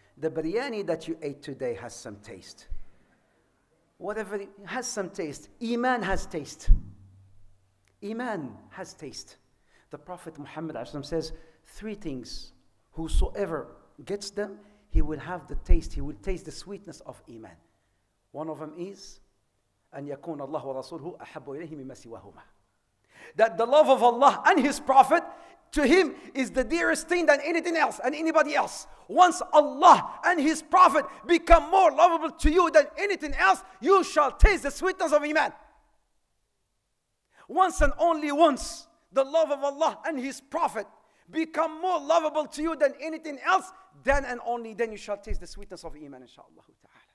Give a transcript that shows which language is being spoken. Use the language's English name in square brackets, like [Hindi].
[English] The biryani that you ate today has some taste. Whatever has some taste. Iman has taste. Iman has taste. The Prophet Muhammad says three things. Whosoever gets them, he will have the taste, he will taste the sweetness of iman. One of them is [Arabic] أن يكون الله ورسوله أحب إليه مما سواهما. [English] That the love of Allah and His Prophet to him is the dearest thing than anything else and anybody else. Once Allah and His Prophet become more lovable to you than anything else, you shall taste the sweetness of iman. Once and only once, the love of Allah and His Prophet become more lovable to you than anything else, then and only then you shall taste the sweetness of iman, inshallah ta'ala.